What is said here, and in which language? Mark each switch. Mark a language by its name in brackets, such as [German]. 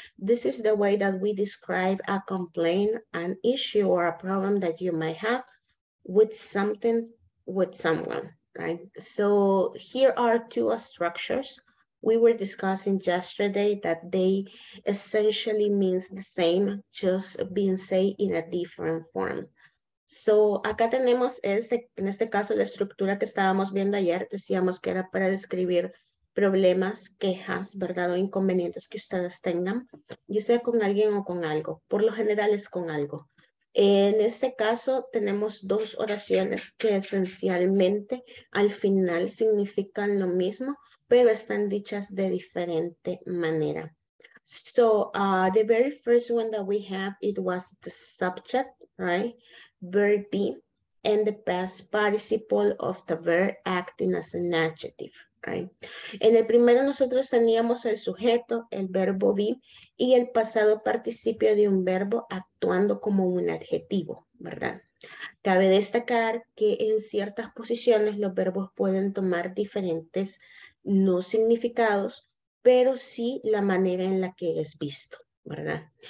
[English] This is the way that we describe a complaint, an issue, or a problem that you might have with something, with someone, right? So here are two structures we were discussing yesterday that they essentially means the same, just being said in a different form. [Spanish] So acá tenemos este, en este caso, la estructura que estábamos viendo ayer, decíamos que era para describir problemas, quejas, ¿verdad? O inconvenientes que ustedes tengan, ya sea con alguien o con algo. Por lo general es con algo. En este caso, tenemos dos oraciones que esencialmente al final significan lo mismo, pero están dichas de diferente manera. [English] So, the very first one that we have, it was the subject, right? Verb be, and the past participle of the verb acting as an adjective, right? [Spanish] En el primero nosotros teníamos el sujeto, el verbo be, y el pasado participio de un verbo actuando como un adjetivo, ¿verdad? Cabe destacar que en ciertas posiciones los verbos pueden tomar diferentes no significados, pero sí la manera en la que es visto, ¿verdad?